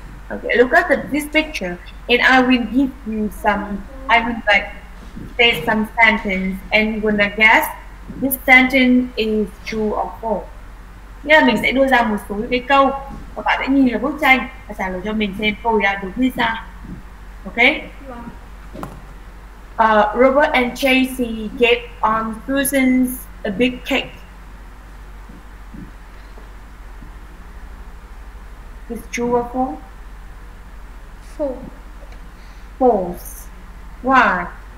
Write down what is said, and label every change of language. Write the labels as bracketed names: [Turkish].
[English] Okay, look at this picture, and I will give you some. I will like. Say some sentence and you're gonna guess this sentence is true or false. [Vietnamese] Nghĩa là mình sẽ đưa ra một số những cái câu và bạn sẽ nhìn vào bức tranh và trả lời cho mình xem câu là đúng hay sai. [English] Ok. Robert and Tracy gave Aunt Susan a big cake. Is true or false? False. False. Why?